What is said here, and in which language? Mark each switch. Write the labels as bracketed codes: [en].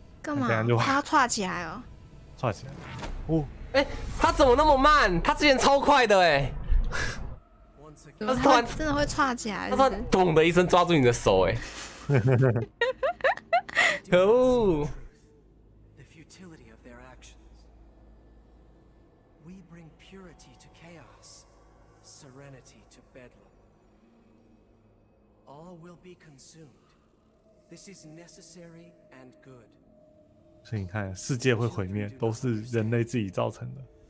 [zh] 干嘛？他要串起来哦。串起来，哦，哎、欸，他怎么那么慢？他之前超快的哎、欸，他突然真的会串起来，他突然咚的一声抓住你的手哎、欸，可恶！ [en] The futility of their actions. We bring purity to chaos, serenity to bedlam. All will be consumed. This is necessary and good. [zh] 所以你看，世界会毁灭，都是人类自己造成的。